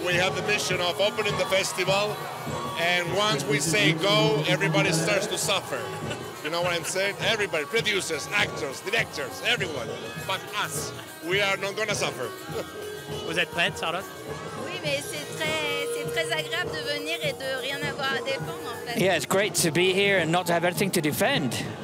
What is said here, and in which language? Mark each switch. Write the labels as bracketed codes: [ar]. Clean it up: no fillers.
[en] Yeah, we have the mission of opening the festival, and once we say go, everybody starts to suffer. You know what I'm saying? Everybody, producers, actors, directors, everyone, but us, we are not going to suffer. [fr] Vous êtes prête, Charlotte? Oui, mais c'est très agréable de venir et de rien avoir à défendre, en fait. [en] Yeah, it's great to be here and not to have anything to defend.